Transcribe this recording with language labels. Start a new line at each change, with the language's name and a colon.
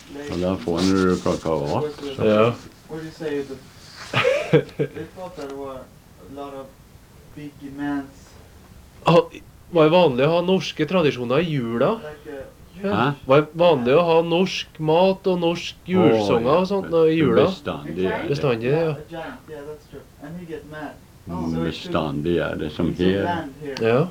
Norwegian: Og der får han jo klokka også. Ja.
English: What do you say? They thought there were a lot of big demands.
Norwegian: Var det vanlig å ha norske tradisjoner i jula? Hæ? Var det vanlig å ha norsk mat og norsk julsonger og sånt i jula? Bestandig. Bestandig, ja. Ja,
English: that's true. And you get mad.
Norwegian: Bestandig er det som her. Ja.